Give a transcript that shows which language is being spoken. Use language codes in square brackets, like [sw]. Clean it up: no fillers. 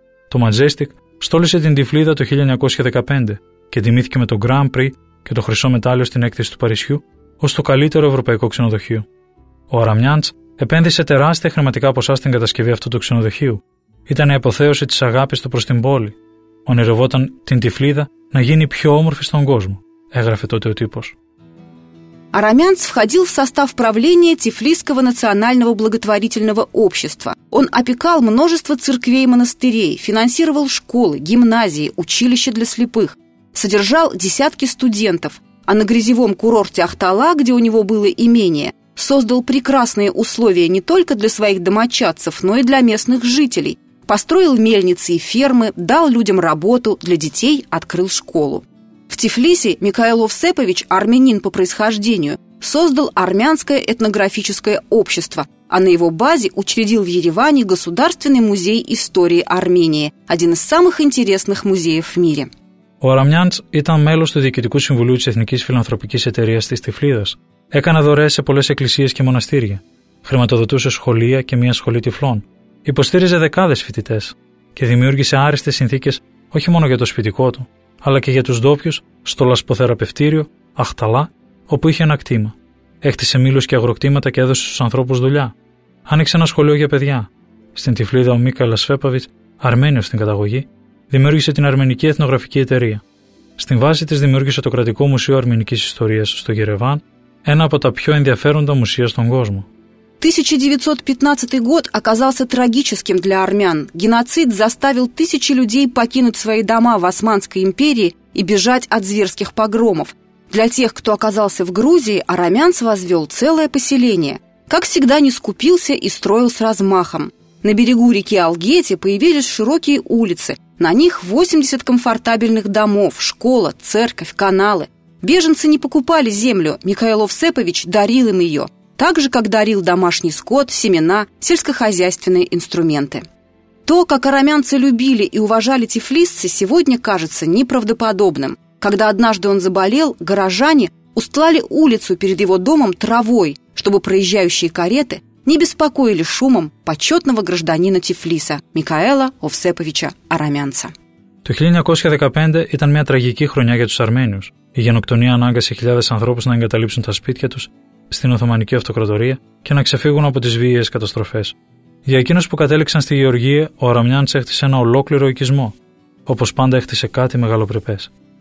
[el] Το Majestic στόλισε την Τυφλίδα το 1915 και τιμήθηκε με το Grand Prix και το χρυσό μετάλλιο στην έκθεση του Παρισιού ως το καλύτερο ευρωπαϊκό ξενοδοχείο. Ο Αραμιάντς επένδυσε τεράστια χρηματικά ποσά στην κατασκευή αυτού του ξενοδοχείου. Ήταν η αποθέωση της αγάπης του προς την πόλη. Ονειρευόταν την Τυφλίδα να γίνει πιο όμορφη στον κόσμο, έγραφε τότε ο τύπος. [ru] Арамянц входил в состав правления Тифлисского национального благотворительного общества. Он опекал множество церквей и монастырей, финансировал школы, гимназии, училища для слепых, содержал десятки студентов, а на грязевом курорте Ахтала, где у него было имение, создал прекрасные условия не только для своих домочадцев, но и для местных жителей. Построил мельницы и фермы, дал людям работу, для детей открыл школу. В Тифлисе Михаил Овсепович, армянин по происхождению, создал армянское этнографическое общество, а на его базе учредил в Ереване Государственный музей истории Армении, один из самых интересных музеев в мире. [el] Ο Αραμιάντς ήταν μέλος του Διοικητικού Συμβουλίου της Εθνικής Φιλανθρωπικής Εταιρείας της Τυφλίδας. Έκανε δωρεές σε πολλές εκκλησίες και μοναστήρια. Χρηματοδοτούσε σχολεία και μια σχολή τυφλών. Υποστήριζε δεκάδες φοιτητές και δημιούργησε άριστες συνθήκες όχι μόνο για το σπιτικό του, αλλά και για τους ντόπιους στο λασποθεραπευτήριο Αχταλά, όπου είχε ένα κτήμα. Έκτισε μήλους και αγροκτήματα και έδωσε στους ανθρώπους δουλειά. Άνοιξε ένα σχολείο για παιδιά. Στην Τυφλίδα ο Μίκαελ Ασφέπαβιτς, Αρμένιος στην καταγωγή, δημιούργησε την Αρμενική Εθνογραφική Εταιρεία. Στην βάση της δημιούργησε το Κρατικό Μουσείο Αρμενικής Ιστορίας στο Γερεβάν, ένα από τα πιο ενδιαφέροντα μουσεία στον κόσμο. [ru] 1915 год оказался трагическим для армян. Геноцид заставил тысячи людей покинуть свои дома в Османской империи и бежать от зверских погромов. Для тех, кто оказался в Грузии, Арамянц возвел целое поселение. Как всегда, не скупился и строил с размахом. На берегу реки Алгети появились широкие улицы. На них 80 комфортабельных домов, школа, церковь, каналы. Беженцы не покупали землю, Михаил Овсепович дарил им ее. Так же, как дарил домашний скот, семена, сельскохозяйственные инструменты. То, как арамянцы любили и уважали тифлисцы, сегодня кажется неправдоподобным. Когда однажды он заболел, горожане устлали улицу перед его домом травой, чтобы проезжающие кареты не беспокоили шумом почетного гражданина Тифлиса Михаила Овсеповича Арамянца. [el] Το 1915 ήταν μια τραγική χρονιά για τους Αρμένιους. Η γενοκτονία ανάγκασε χιλιάδες ανθρώπους να εγκαταλείψουν τα σπίτια τους στην Οθωμανική Αυτοκρατορία και να ξεφύγουν από τις βίαιες καταστροφές. Για εκείνους που κατέληξαν στη Γεωργία, ο Αραμιάντς έχτισε ένα ολόκληρο οικισμό, όπως πάντα έχτισε κάτι μεγαλοπρεπές.